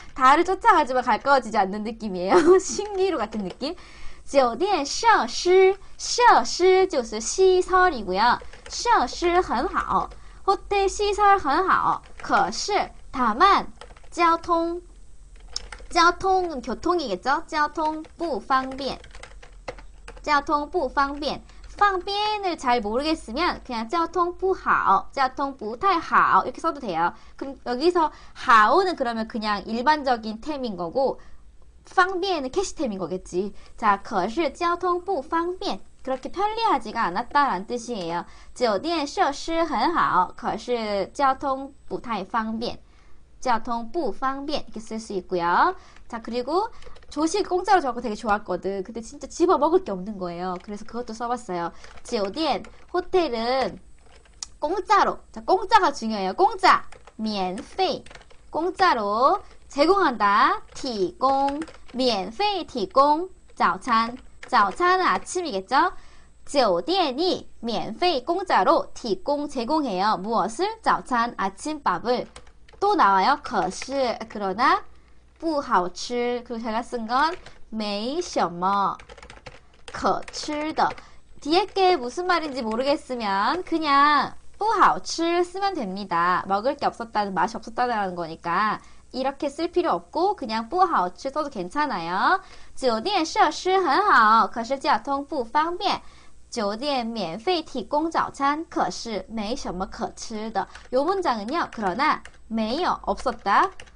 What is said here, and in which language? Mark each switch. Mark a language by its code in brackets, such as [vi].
[ko] 달을 쫓아가지만 가까워지지 않는 느낌이에요. 신기루 같은 느낌. 지오디엔 셔시. 셔시就是 시설이고요. 셔시很好. 호텔 시설很好. 可是 다만, 交通, 交通은 교통이겠죠? [zh] 交通不方便, 交通不方便. [ko] 方便을 잘 모르겠으면 그냥 [zh] 交通不好, 交通不太好 [ko] 이렇게 써도 돼요. 그럼 여기서 好는 그러면 그냥 일반적인 템인 거고, 方便은 캐시 템인 거겠지. [zh] 자, 可是交通不方便. [ko] 그렇게 편리하지가 않았다라는 뜻이에요. [zh] 酒店设施很好, 可是交通不太方便. 交通不方便 [ko] 이렇게 쓸 수 있고요. 자, 그리고 조식 공짜로 저거 되게 좋았거든. 근데 진짜 집어 먹을 게 없는 거예요. 그래서 그것도 써봤어요. 지오디엔 호텔은 공짜로. 자, 공짜가 중요해요. 공짜, 免费, 공짜로 제공한다. [zh] 提供, 免费 提供 早餐. [ko] 早餐은 아침이겠죠? 지오디엔이 免费 공짜로 提供 제공해요. 무엇을? 早餐, 아침밥을. 또 나와요. [zh] 可是, 그러나, 不好吃. [ko] 그리고 제가 쓴 건, [zh] 没什么可吃的. [ko] 뒤에 게 무슨 말인지 모르겠으면, 그냥, [zh] 不好吃 [ko] 쓰면 됩니다. 먹을 게 없었다는, 맛이 없었다는 거니까, 이렇게 쓸 필요 없고, 그냥, [zh] 不好吃 [ko] 써도 괜찮아요. [zh] 酒店设施很好,可是交通不方便. 酒店免费提供早餐,可是没什么可吃的. [ko] 요 문장은요, 그러나, 没有, 없었다.